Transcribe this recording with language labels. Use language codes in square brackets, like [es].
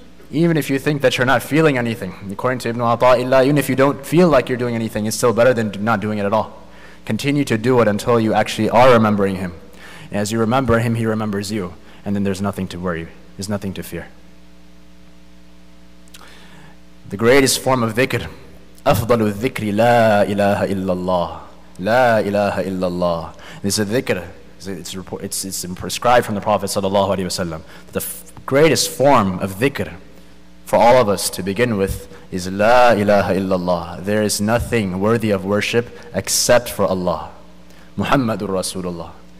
[en] Even if you think that you're not feeling anything, according to Ibn Ata'illah, even if you don't feel like you're doing anything, it's still better than not doing it at all. Continue to do it until you actually are remembering him. And as you remember him, he remembers you. And then there's nothing to worry, there's nothing to fear. The greatest form of dhikr, [ar] أفضل الذكر لا إله إلا الله. لا إله إلا الله. [en] This is a dhikr. It's prescribed from the Prophet sallallahu alaihi wasallam. The greatest form of dhikr for all of us to begin with is La ilaha illallah. There is nothing worthy of worship except for Allah, Muhammadur Rasulullah.